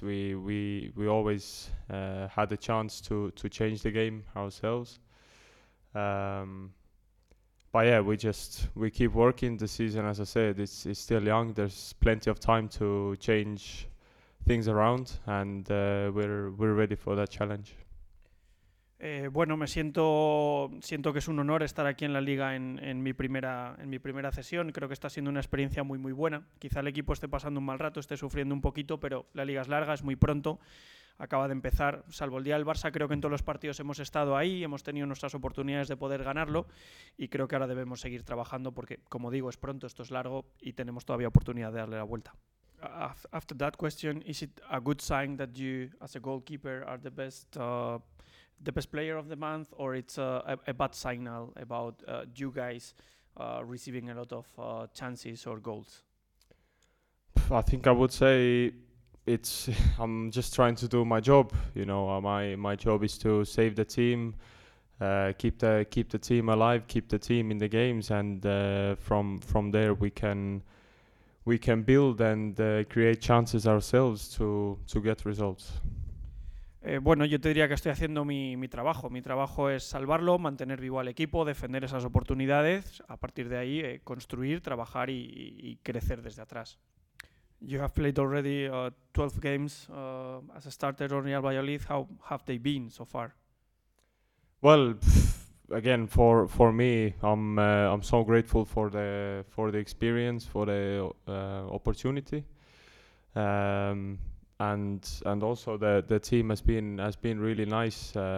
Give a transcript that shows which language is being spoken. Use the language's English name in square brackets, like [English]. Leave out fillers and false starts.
[English] We always had a chance to change the game ourselves. But yeah, we keep working. The season, as I said, it's still young. There's plenty of time to change things around, and we're ready for that challenge. [Spanish] Bueno, me siento que es un honor estar aquí en la liga en mi primera cesión. Creo que está siendo una experiencia muy muy buena. Quizá el equipo esté pasando un mal rato, esté sufriendo un poquito, pero la liga es larga, es muy pronto. Acaba de empezar, salvo el día del Barça, creo que en todos los partidos hemos estado ahí, hemos tenido nuestras oportunidades de poder ganarlo y creo que ahora debemos seguir trabajando porque, como digo, es pronto, esto es largo y tenemos todavía oportunidad de darle la vuelta. [English] After that question, is it a good sign that you, as a goalkeeper, are the best player of the month, or it's a bad signal about you guys receiving a lot of chances or goals? I think I would say I'm just trying to do my job, you know. My job is to save the team, keep the team alive, keep the team in the games, and from there we can build and create chances ourselves to get results. [Spanish] Bueno, yo te diría que estoy haciendo mi trabajo. Mi trabajo es salvarlo, mantener vivo al equipo, defender esas oportunidades. A partir de ahí, construir, trabajar y crecer desde atrás. [English] You have played already 12 games as a starter on Real Valladolid. How have they been so far? Well, again, for me, I'm so grateful for the experience, for the opportunity, and also the team has been really nice.